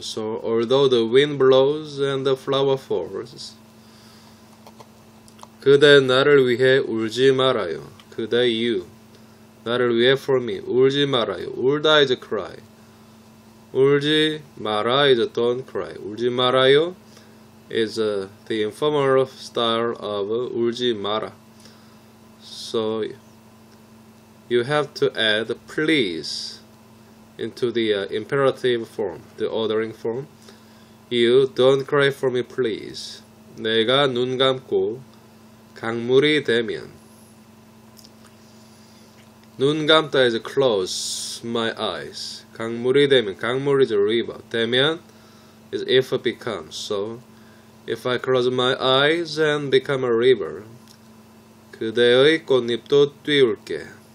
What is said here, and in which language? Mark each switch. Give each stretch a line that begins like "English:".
English: So although the wind blows and the flower falls.
Korean: 그대 나를 위해 울지 말아요. 그대
English: you.
Korean: 나를 위해
English: for me.
Korean: 울지 말아요. 울다
English: is cry.
Korean: 울지 마라
English: is don't cry.
Korean: 울지 말아요
English: is the informal style of
Korean: 울지 마라.
English: So you have to add please into the imperative form, the ordering form. You don't cry for me, please.
Korean: 내가 눈 감고 강물이 되면. 눈 감다
English: is close my eyes.
Korean: 강물이 되면.
English: 강물 is a river.
Korean: 되면
English: is if become. So if I close my eyes and become a river,
Korean: 그대의 꽃잎도 띄울게.